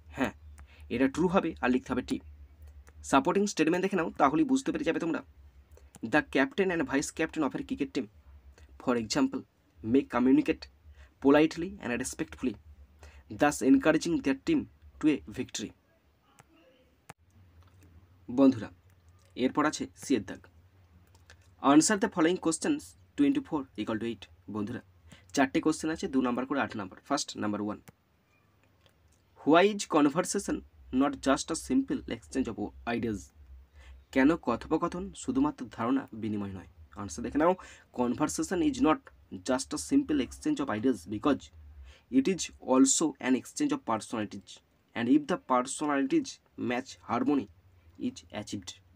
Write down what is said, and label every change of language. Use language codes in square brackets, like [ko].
[bn] হ্যাঁ, এটা ট্রু হবে আর লিখতে হবে টি। সাপোর্টিং স্টেটমেন্ট দেখে নাও, তাহলেই বুঝতে পেরে যাবে তোমরা, [en] The captain and vice captain of এর cricket team for example may communicate politely and respectfully thus encouraging their team to a victory. [bn] বন্ধুরা, এরপর আছে সিয়ের দাগ, [en] answer the following questions [bn] 2 × 4 = 8। বন্ধুরা, 4টে কোশ্চেন আছে, 2 নম্বর করে 8 নম্বর। First number one, [en] Why is conversation not just a simple exchange of ideas? [bn] কেন কথোপকথন শুধুমাত্র ধারণা বিনিময় নয়? আনসার দেখে নাও, [en] Conversation is not just a simple exchange of ideas because it is also an exchange of personalities and if the personalities match harmony is achieved.